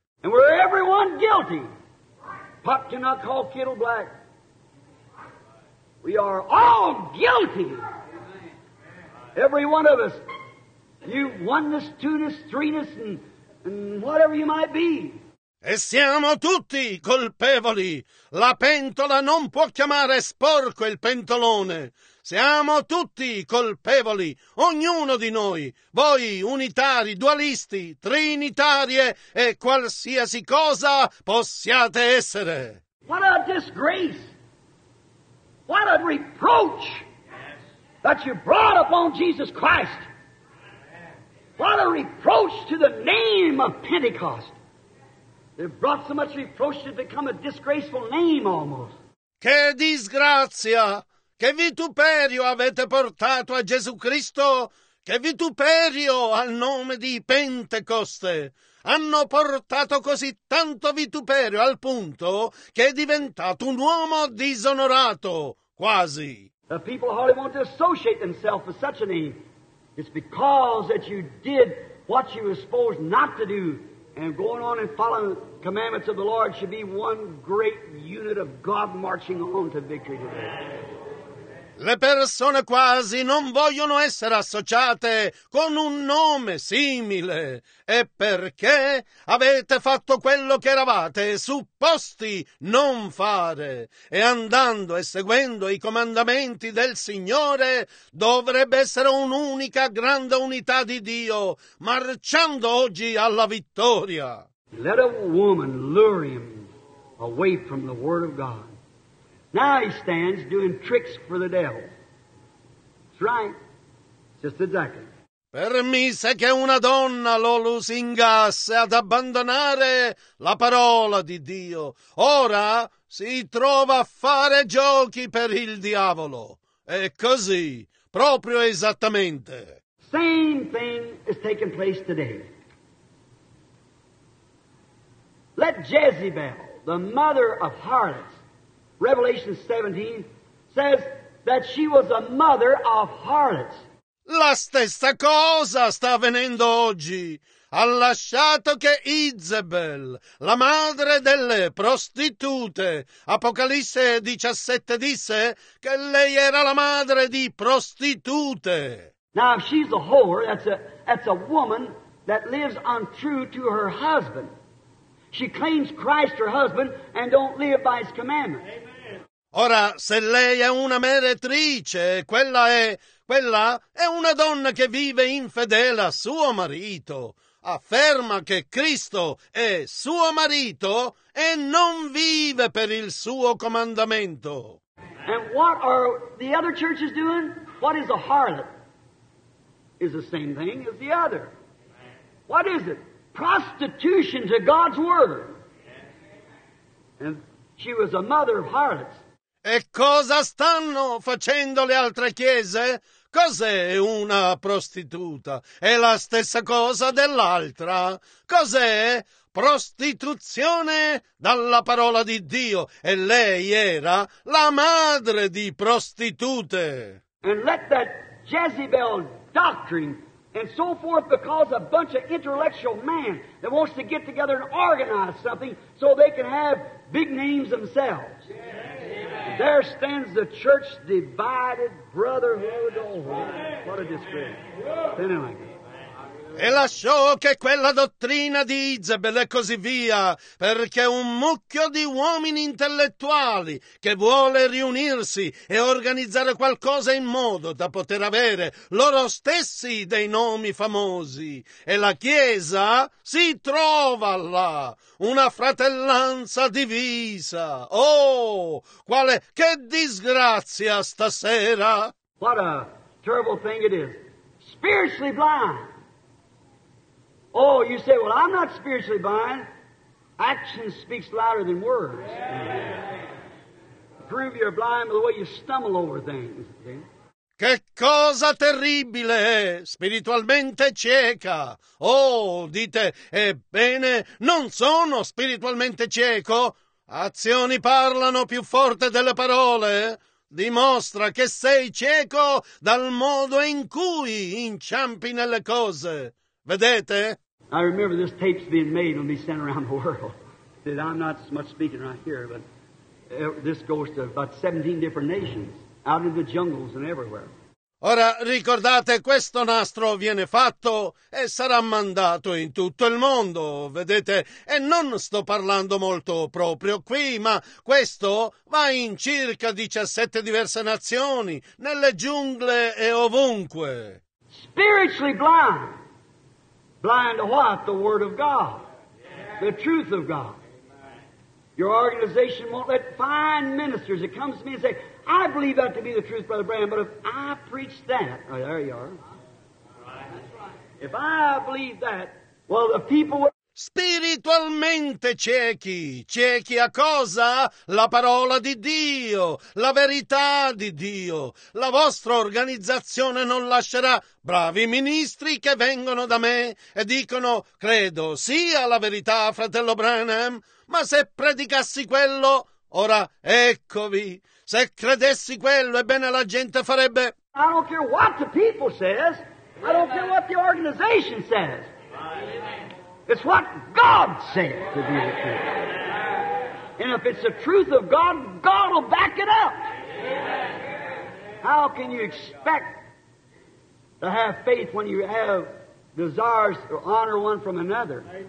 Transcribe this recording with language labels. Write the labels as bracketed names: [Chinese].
[English] And we're everyone guilty. Pop cannot call kettle black. We are all guilty. Every one of us. You oneness, two-ness, three-ness, and whatever you might be. [Italian] E siamo tutti colpevoli. La pentola non può chiamare sporco il pentolone. Siamo tutti colpevoli, ognuno di noi, voi unitari, dualisti, trinitarie e qualsiasi cosa possiate essere. [English] What a disgrace! What a reproach that you brought upon Jesus Christ! What a reproach to the name of Pentecost! It brought so much reproach to become a disgraceful name almost. [Italian] Che disgrazia! Che vituperio avete portato a Gesù Cristo? Che vituperio al nome di Pentecoste? Hanno portato così tanto vituperio al punto che è diventato un uomo disonorato, quasi. [English] The people hardly want to associate themselves with such a name. It's because that you did what you were supposed not to do, and going on and following the commandments of the Lord should be one great unit of God marching on to victory today. [Italian] Le persone quasi non vogliono essere associate con un nome simile. E perché avete fatto quello che eravate supposti non fare? E andando e seguendo i comandamenti del Signore, dovrebbe essere un'unica grande unità di Dio, marciando oggi alla vittoria. [English] Let a woman lure him away from the Word of God. Now he stands doing tricks for the devil. That's right. Just exactly. [Italian] Permise che una donna lo lusingasse ad abbandonare la parola di Dio. Ora si trova a fare giochi per il diavolo. È così, proprio esattamente. [English] Same thing is taking place today. Let Jezebel, the mother of harlots, Revelation 17 says that she was a mother of harlots. [Italian] La stessa cosa sta avvenendo oggi. Ha lasciato che Izebel, la madre delle prostitute, Apocalisse 17 disse che lei era la madre di prostitute. [English] Now if she's a whore, that's a woman that lives untrue to her husband. She claims Christ her husband and don't live by his commandments. Amen. [Italian] Ora, se lei è una meretrice, quella è una donna che vive infedele a suo marito. Afferma che Cristo è suo marito e non vive per il suo comandamento. [English] And what are the other churches doing? What is a harlot? Is the same thing as the other. What is it? Prostitution to God's word. And she was a mother of harlots. [Italian] E cosa stanno facendo le altre chiese? Cos'è una prostituta? È la stessa cosa dell'altra. Cos'è? Prostituzione dalla parola di Dio. E lei era la madre di prostitute. [English] And let that Jezebel doctrine and so forth, because a bunch of intellectual man that wants to get together and organize something so they can have big names themselves. Amen. There stands the church divided, brotherhood. Oh, what a disgrace. Anyway. [Italian] E lasciò che quella dottrina di Izebel e così via, perché un mucchio di uomini intellettuali che vuole riunirsi e organizzare qualcosa in modo da poter avere loro stessi dei nomi famosi. E la Chiesa si trova là, una fratellanza divisa. Oh, quale, che disgrazia stasera! [English] What a terrible thing it is. Spiritually blind. Oh, you say, well, I'm not spiritually blind. Action speaks louder than words. Yeah. Prove you're blind by the way you stumble over things. Okay? [Italian] Che cosa terribile è spiritualmente cieca. Oh, dite, ebbene, non sono spiritualmente cieco. Azioni parlano più forte delle parole. Dimostra che sei cieco dal modo in cui inciampi nelle cose. Vedete? [English] I remember this tape's being made when we sent around the world. That I'm not so much speaking right here, but this goes to about 17 different nations, out in the jungles and everywhere. [Italian] Ora, ricordate, questo nastro viene fatto e sarà mandato in tutto il mondo, vedete? E non sto parlando molto proprio qui, ma questo va in circa 17 diverse nazioni, nelle giungle e ovunque. [English] Spiritually blind. Blind to what? The Word of God. The truth of God. Your organization won't let fine ministers that comes to me and say, I believe that to be the truth, Brother Branham, but if I preach that, oh, there you are. If I believe that, well, the people would... [Italian] Spiritualmente ciechi. Ciechi a cosa? La parola di Dio, la verità di Dio. La vostra organizzazione non lascerà bravi ministri che vengono da me e dicono, credo sia la verità, fratello Branham, ma se predicassi quello, ora eccovi, se credessi quello, ebbene la gente farebbe... [English] I don't care what the people says, I don't care what the organization says. It's what God said to be the truth. And if it's the truth of God, God will back it up. How can you expect to have faith when you have desires to honor one from another?